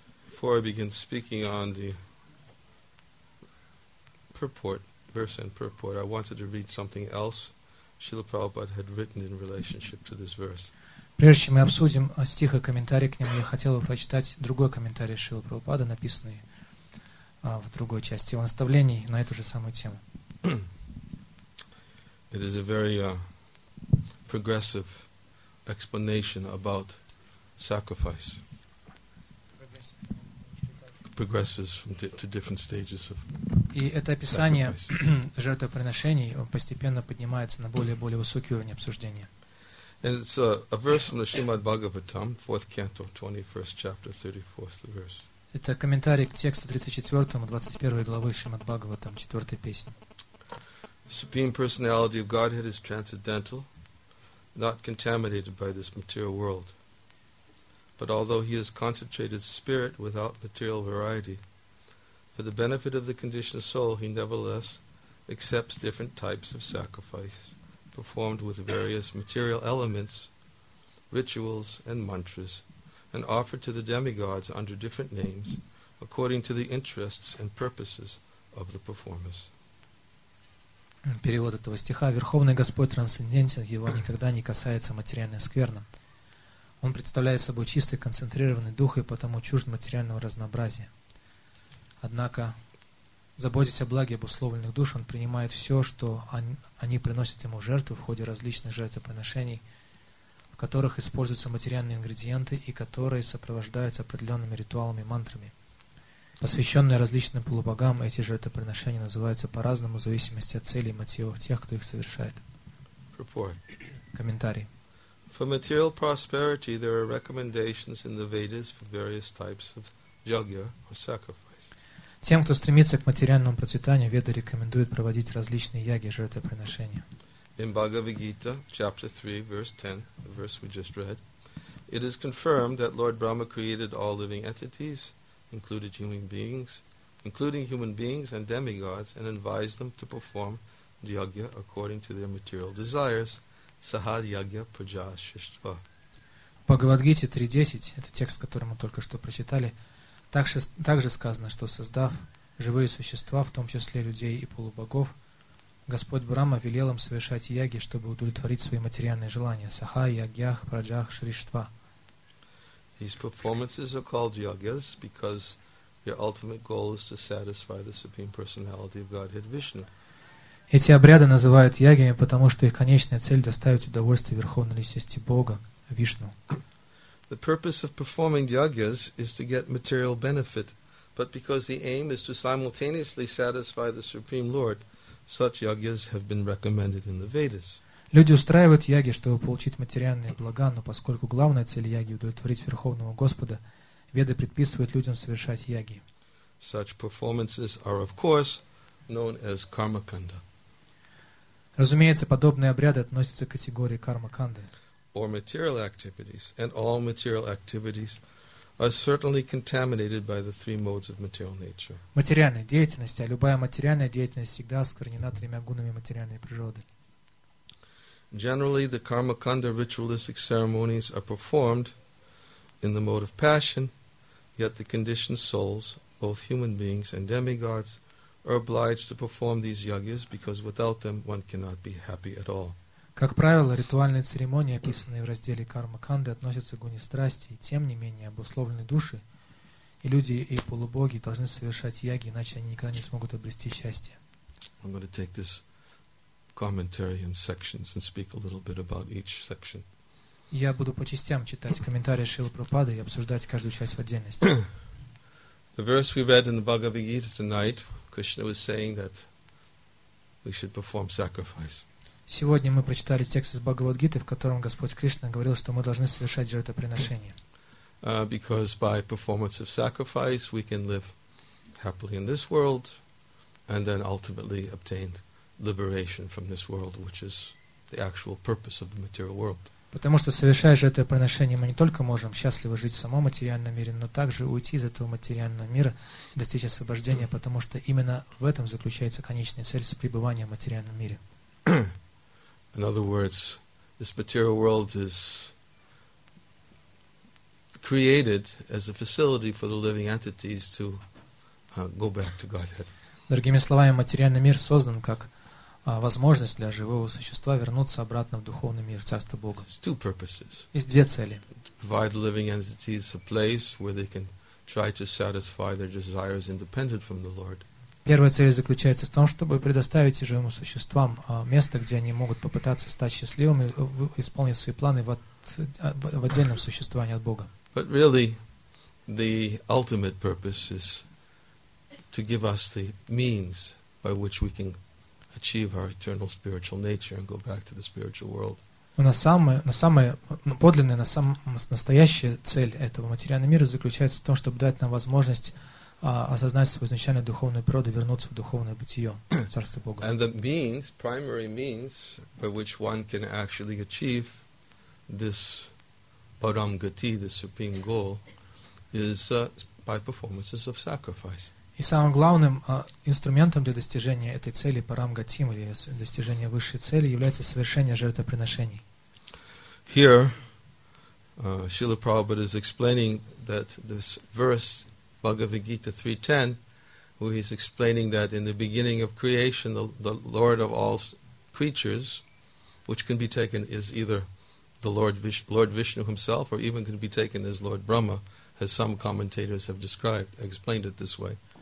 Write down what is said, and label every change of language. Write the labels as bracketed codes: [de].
[en] Before I begin speaking on the purport, verse and purport, I wanted to read something else Srila Prabhupada had written in relationship to this verse. [ru] Прежде чем мы обсудим стих и комментарий к нему, я хотел бы прочитать другой комментарий Шрилы Прабхупады, написанный в другой части его наставлений на эту же самую тему. [en] It is a very progressive explanation about sacrifice. Progresses from to different stages of sacrifice. [ru] И это описание жертвоприношений постепенно поднимается на более высокий уровень обсуждения. [en] And it's a verse from the Srimad Bhagavatam, 4th canto, 21st chapter, 34th verse. [ru] Это комментарий к тексту 34-му, 21-й главы Шримад Бхагаватам, 4-й песни. [en] Supreme personality of Godhead is transcendental, not contaminated by this material world. But although he is concentrated spirit without material variety, for the benefit of the conditioned soul, he nevertheless accepts different types of sacrifice performed with various material elements, rituals, and mantras, and offered to the demigods under different names, according to the interests and purposes of the performers. [ru] Перевод этого стиха. Верховный Господь трансцендентен, его никогда не касается материальная скверна. Он представляет собой чистый, концентрированный дух и потому чужд материального разнообразия. Однако, заботясь о благе обусловленных душ, он принимает все, что они приносят ему в жертву в ходе различных жертвоприношений, в которых используются материальные ингредиенты и которые сопровождаются определенными ритуалами и мантрами. Посвященные различным полубогам, эти жертвоприношения называются по-разному в зависимости от целей и мотивов тех, кто их совершает. Комментарий. [en] For material prosperity, there are recommendations in the Vedas for various types of yajna or sacrifice. [ru] Тем, кто стремится к материальному процветанию, Веды рекомендуют проводить различные яги, жертвоприношения. [en] In Bhagavad-gita, chapter 3, verse 10, the verse we just read, it is confirmed that Lord Brahma created all living entities, including human beings and demigods, and advise them to perform yajna according to their material desires, [sa] sahad yajna praja shishtva. [ru] В Бхагавадгите 3.10, это текст, который мы только что прочитали, также сказано, что создав живые существа, в том числе людей и полубогов, Господь Брахма велел им совершать яги, чтобы удовлетворить свои материальные желания, [sa] sahad yajna praja shishtva. [en] These performances are called yagyas because their ultimate goal is to satisfy the Supreme Personality of Godhead Vishnu. [ru] Эти обряды называют ягьями, потому что их конечная цель — доставить удовольствие Верховной Личности Бога, Вишну. [en] The purpose of performing yagyas is to get material benefit, but because the aim is to simultaneously satisfy the Supreme Lord, such yagyas have been recommended in the Vedas. [ru] Люди устраивают яги, чтобы получить материальные блага, но поскольку главная цель яги — удовлетворить Верховного Господа, Веды предписывают людям совершать яги. [en] Such performances are, of course, known as karmakanda. [ru] Разумеется, подобные обряды относятся к категории кармаканды. [en] Or material activities, and all material activities are certainly contaminated by the three modes of material nature. [ru] Материальная деятельность, а любая материальная деятельность всегда осквернена тремя гунами материальной природы. [en] Generally, the karmakanda ritualistic ceremonies are performed in the mode of passion, yet the conditioned souls, both human beings and demigods, are obliged to perform these yagyas because without them one cannot be happy at all. [ru] Как правило, ритуальные церемонии, описанные в разделе кармаканды, относятся к гуне страсти, и тем не менее обусловленные души и люди, и полубоги должны совершать яги, иначе они никогда не смогут обрести счастье. [en] I'm going to take this commentary in sections and speak a little bit about each section. [ru] Я буду по частям читать комментарии Шрилы Прабхупады и обсуждать каждую часть в отдельности. [en] The verse we read in the Bhagavad Gita tonight, Krishna was saying that we should perform sacrifice. [ru] Сегодня мы прочитали текст из Бхагавад-гиты, в котором Господь Кришна говорил, что мы должны совершать жертвоприношение. [en] Because by performance of sacrifice we can live happily in this world and then ultimately obtain liberation from this world, which is the actual purpose of the material world. [ru] Потому что совершая жертвоприношение, мы не только можем счастливо жить в самом материальном мире, но также уйти из этого материального мира, достичь освобождения, потому что именно в этом заключается конечная цель пребывания в материальном мире. [en] In other words, this material world is created as a facility for the living entities to go back to Godhead. [ru] Другими словами, материальный мир создан как возможность для живого существа вернуться обратно в духовный мир, в Царство Бога. [en] Two purposes. [ru] Есть две цели. [en] Provide living entities a place where they can try to satisfy their desires independent from the Lord. [ru] Первая цель заключается в том, чтобы предоставить живым существам место, где они могут попытаться стать счастливыми, исполнить свои планы в отдельном существовании от Бога. [en] But really, the ultimate purpose is to give us the means by which we can achieve our eternal spiritual nature and go back to the spiritual world. [ru] Настоящая цель этого материального мира заключается в том, чтобы дать нам возможность осознать свою изначальную духовную природу, вернуться в духовное бытие, в Царство Бога. [en] And the means, primary means, by which one can actually achieve this param gati, the supreme goal, is by performances of sacrifice. [ru] И самым главным инструментом для достижения этой цели, парам гатим, или достижения высшей цели, является совершение жертвоприношений. [en] Here, Srila Prabhupada is explaining that this verse, Bhagavad Gita 3.10, where he's explaining that in the beginning of creation, the Lord of all creatures, which can be taken as either the Lord Vishnu himself, or even can be taken as Lord Brahma, as some commentators have described, explained it this way.